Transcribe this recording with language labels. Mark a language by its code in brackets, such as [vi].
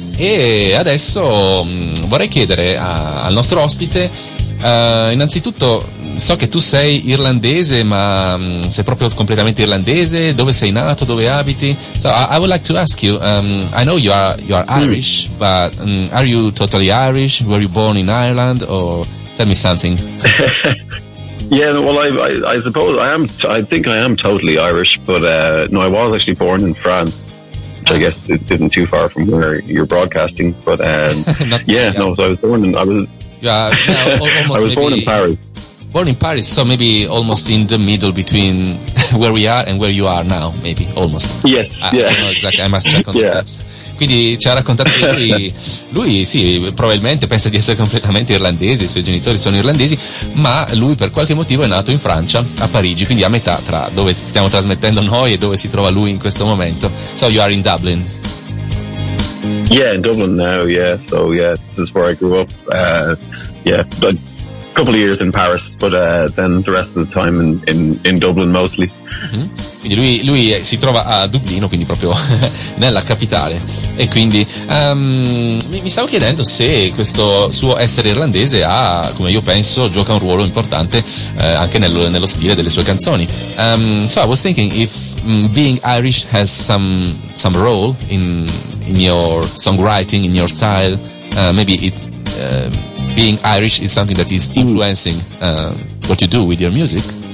[it] E adesso vorrei chiedere al nostro ospite, innanzitutto, so che tu sei irlandese, ma sei proprio completamente irlandese? Dove sei nato? Dove abiti? [en] So I would like to ask you, I know you are Irish, but are you totally Irish? Were you born in Ireland? Or tell me something. Yeah, well, I suppose I am. I think I am totally Irish, but no, I was actually born in France. Which I guess it isn't too far from where you're broadcasting, but so I was born in Paris. Born in Paris, so maybe almost in the middle between where we are and where you are now, maybe almost. Yes, I don't know exactly. I must check on the maps. [it] Quindi ci ha raccontato che lui sì, probabilmente pensa di essere completamente irlandese, i suoi genitori sono irlandesi, ma lui per qualche motivo è nato in Francia, a Parigi, quindi a metà tra dove stiamo trasmettendo noi e dove si trova lui in questo momento. [en] So you are in Dublin. Yeah, in Dublin now, yeah. So yeah, this is where I grew up. Yeah, a couple of years in Paris, but then the rest of the time in Dublin mostly. Mm-hmm. [it] Quindi lui si trova a Dublino, quindi proprio nella capitale. E quindi mi stavo chiedendo se questo suo essere irlandese ha, come io penso, gioca un ruolo importante anche nello stile delle sue canzoni. [en] So I was thinking if being Irish has some role in your songwriting, in your style. Maybe it being Irish is something that is influencing what you do with your music.